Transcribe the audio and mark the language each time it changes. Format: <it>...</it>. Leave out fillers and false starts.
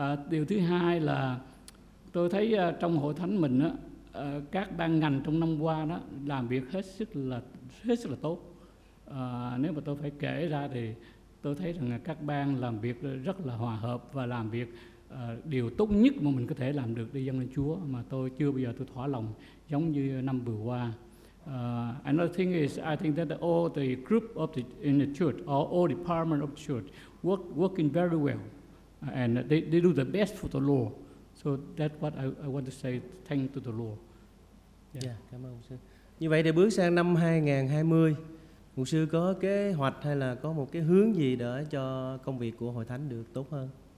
<vi>Điều thứ hai là tôi thấy trong hội thánh mình á, các ban ngành trong năm qua đó làm việc hết sức là tốt. Nếu mà tôi phải kể ra thì tôi thấy rằng các ban làm việc rất là hòa hợp và làm việc điều tốt nhất mà mình có thể làm được để dâng lên Chúa, mà tôi chưa bao giờ tôi thỏa lòng giống như năm vừa qua.</vi> <en>Another thing is I think that all the group of the in the church or all department of the church working very well and they do the best for the Lord. So that's what I want to say thank to the Lord.</en> <vi>Cảm ơn mục sư. Như vậy thì bước sang năm 2020, mục sư có kế hoạch hay là có một cái hướng gì để cho công việc của hội thánh được tốt hơn?</vi>